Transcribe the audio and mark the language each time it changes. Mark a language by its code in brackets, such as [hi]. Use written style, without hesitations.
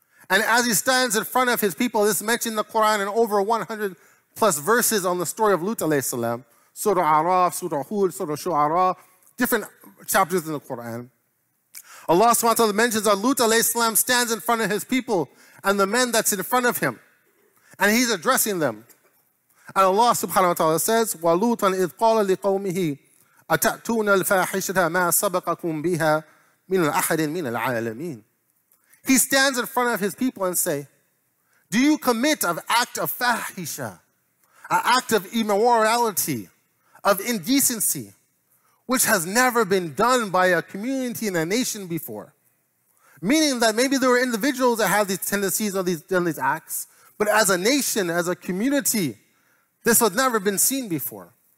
[en] And as he stands in front of his people, this is mentioned in the Quran in over 100 plus verses on the story of Lut alayhi salam, Surah Araf, Surah Hud, Surah Shu'ara, different chapters in the Quran. Allah subhanahu wa ta'ala mentions that Lut alayhi salam stands in front of his people and the men that's in front of him. And he's addressing them. And Allah subhanahu wa ta'ala says, [ar] وَلُوتًا إِذْ قَالَ لِقَوْمِهِ أَتَأْتُونَ الْفَاحِشَةَ مَا سَبَقَكُمْ بِهَا مِنَ الْأَحَدٍ مِنَ الْعَالَمِينَ. [en] He stands in front of his people and say, do you commit an act of fahisha, an act of immorality, of indecency, which has never been done by a community and a nation before? Meaning that maybe there were individuals that had these tendencies or these acts, but as a nation, as a community, this has never been seen before.